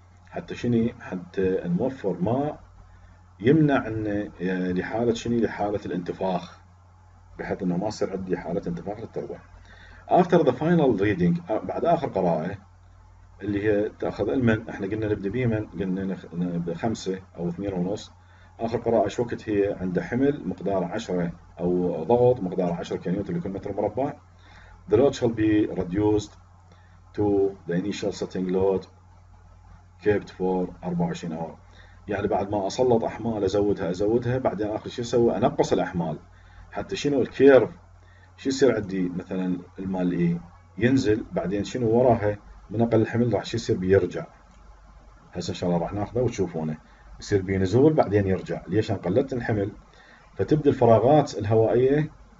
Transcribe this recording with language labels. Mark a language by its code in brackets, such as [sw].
[ar] حتى شنو؟ حتى نوفر ماء يمنع ان لحاله شنو؟ لحاله الانتفاخ، بحيث انه ما يصير عندي حاله انتفاخ للتربه. [en] After the final reading [ar] بعد اخر قراءه اللي هي تاخذ المن، احنا قلنا نبدا بيمن، قلنا بخمسه او 2.5. اخر قراءه ايش وقت هي؟ عند حمل مقدار 10 او ضغط مقدار 10 كيلو نيوتن لكل متر مربع. [en] The load shall be reduced to the initial setting load kept for 24 hour. [ar] يعني بعد ما اسلط احمال ازودها بعدين اخر شيء اسوي؟ انقص الاحمال حتى شنو؟ الكيرف شو يصير عندي؟ مثلا المال إيه؟ ينزل بعدين شنو وراها من اقل الحمل راح شو يصير؟ بيرجع. هسه ان شاء الله راح ناخذه وتشوفونه، يصير بينزول بعدين يرجع. ليش؟ انا قللت الحمل، فتبدا الفراغات الهوائيه